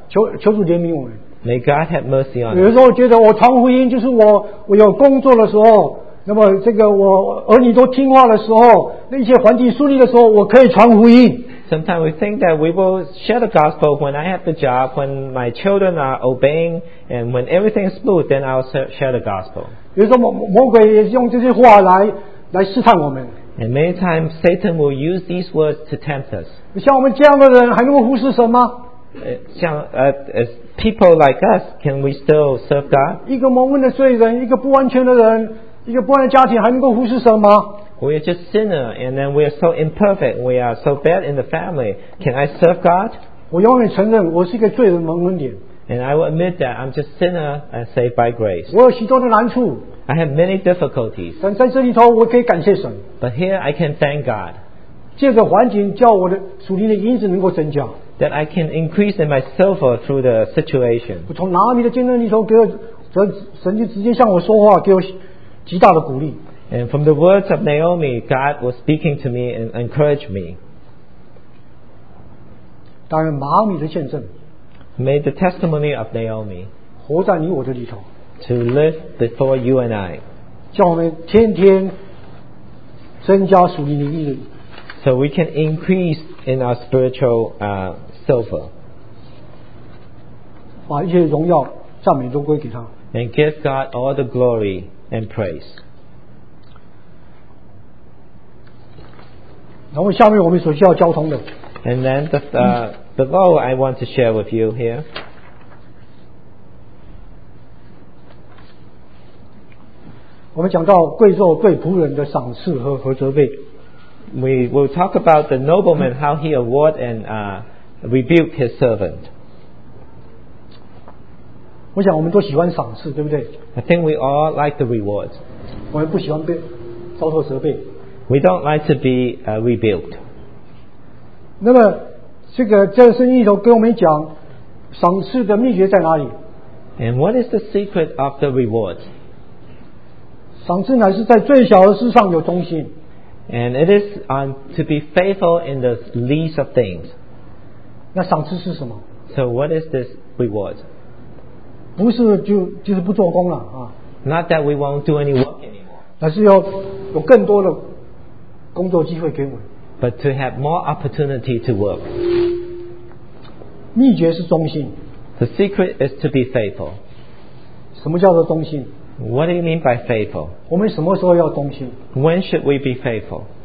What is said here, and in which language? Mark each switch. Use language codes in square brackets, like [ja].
[zh] 求主怜悯我们。 [en] May God have mercy on us. [zh] 有时候我觉得我传福音，就是我有工作的时候，那么这个我儿女都听话的时候，那些环境顺利的时候，我可以传福音。 [en] Sometimes we think that we will share the gospel when I have the job, when my children are obeying, and when everything is smooth, then I'll share the gospel. [zh] 有时候魔鬼也是用这些话来试探我们。 [en] And many times Satan will use these words to tempt us. [zh] 像我们这样的人还能服侍神吗？ [en] As people like us, can we still serve God? [zh] 一个蒙恩的罪人，一个不完全的人，一个不完的家庭，还能够服侍神吗？ [en] We are just sinner, and then we are so imperfect, we are so bad in the family. Can I serve God? [zh] 我永远承认我是一个罪人蒙恩点。 [en] And I will admit that I'm just sinner and saved by grace. [zh] 我有许多的难处。 [en] I have many difficulties. [zh] 但在这里头我可以感谢神。 [en] But here I can thank God. [zh] 借着环境叫我的属灵的因子能够增加。 [en] That I can increase in myself through the situation. [zh] 我从拿阿米的见证里头给我，神就直接向我说话，给我极大的鼓励。 [en] And from the words of Naomi, God was speaking to me and encouraged me. [zh] 当然，拿阿米的见证。 [en] May the testimony of Naomi. [zh] 活在你我的里头。 [en] To live before you and I. [zh] 叫我们天天增加属灵的毅力。 [en] So we can increase in our spiritual silver. [zh] 把一切荣耀赞美都归给他。 [en] And give God all the glory and praise. [zh] 然后下面我们所需要交通的。 [en] And then below I want to share with you here. [zh] 我们讲到贵胄对仆人的赏赐和责备。 [en] We will talk about the nobleman, how he award and rebuke his servant. [zh] 我想我们都喜欢赏赐，对不对？ [en] I think we all like the reward. [zh] 我们不喜欢被遭受责备。 [en] We don't like to be rebuked. [zh] 那么这个这圣经里头跟我们讲赏赐的秘诀在哪里？ [en] And what is the secret of the reward? [zh] 赏赐乃是在最小的事上有忠心。 [en] And it is to be faithful in the least of things. [zh] 那赏赐是什么？ [en] So what is this reward? [zh] 不是就是不做工了啊。 [en] Not that we won't do any work anymore. [zh] 而是有更多的工作机会给我们。 [en] But to have more opportunity to work. [zh] 秘诀是忠心。 [en] The secret is to be faithful. [zh] 什么叫做忠心？ [en] What do you mean by faithful? [zh] 我们什么时候要忠心？ [en] When should we be faithful?